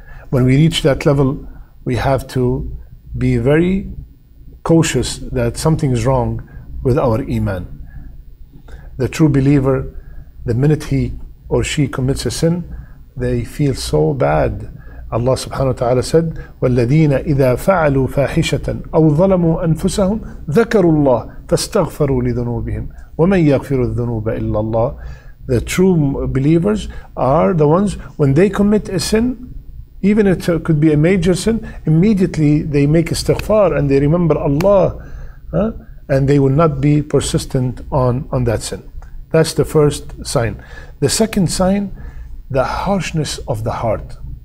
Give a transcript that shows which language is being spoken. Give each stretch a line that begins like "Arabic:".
English: When we reach that level, we have to be very cautious that something is wrong with our iman. The true believer, the minute he or she commits a sin, they feel so bad.
Arabic: Allah subhanahu wa ta'ala said, وَالَّذِينَ إِذَا فَعَلُوا فَاحِشَةً أَوْ ظَلَمُوا أَنفُسَهُمْ ذَكَرُوا اللَّهِ فَاسْتَغْفَرُوا لِذُنُوبِهِمْ وَمَنْ يَغْفِرُ الذُّنُوبَ إِلَّا اللَّهِ.
English: The true believers are the ones, when they commit a sin, even if it could be a major sin, immediately they make istighfar and they remember Allah, and they will not be persistent on that sin. That's the first sign. The second sign, the harshness of the heart.